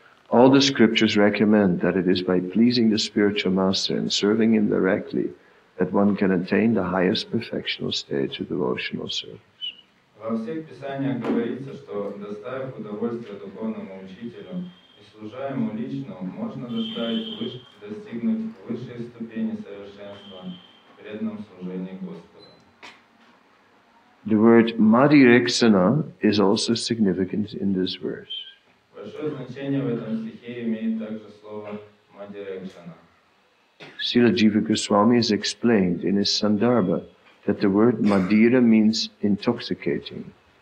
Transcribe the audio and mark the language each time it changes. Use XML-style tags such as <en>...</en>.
<en>All the scriptures recommend that it is by pleasing the spiritual master and serving him directly that one can attain the highest perfectional stage of devotional service.</en> <ru>Во всех писаниях говорится, что доставив удовольствие духовному учителю и служа ему лично, можно достигнуть высшей ступени совершенства в преданном служении Господу.</ru> <en>The word Madhiriksana is also significant in this verse.</en> <ru>Большое значение в этом стихе имеет также слово Madhiriksana.</ru> <en>Srila Jiva Goswami has explained in his Sandarbha that the word Madhira means intoxicating.</en>